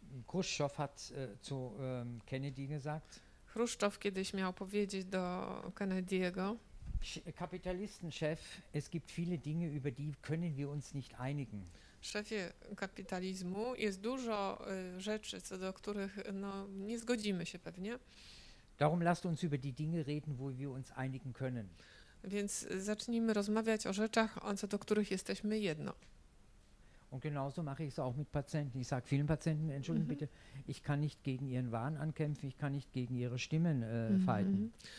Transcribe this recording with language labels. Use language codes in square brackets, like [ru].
[de] Chruszczow hat zu Kennedy gesagt. [pl] Chruszczow kiedyś miał powiedzieć do Kennedy'ego. [de] Kapitalistenchef, es gibt viele Dinge, über die können wir uns nicht einigen. [pl] Szefie kapitalizmu, jest dużo rzeczy, co do których no, nie zgodzimy się pewnie. [de] Darum lasst uns über die Dinge reden, wo wir uns einigen können. [pl] Więc zacznijmy rozmawiać o rzeczach, co do których jesteśmy jedno. [de] Und genauso mache ich es auch mit Patienten. Ich sage vielen Patienten, entschuldigen bitte, ich kann nicht gegen ihren Wahn ankämpfen, ich kann nicht gegen ihre Stimmen fighten.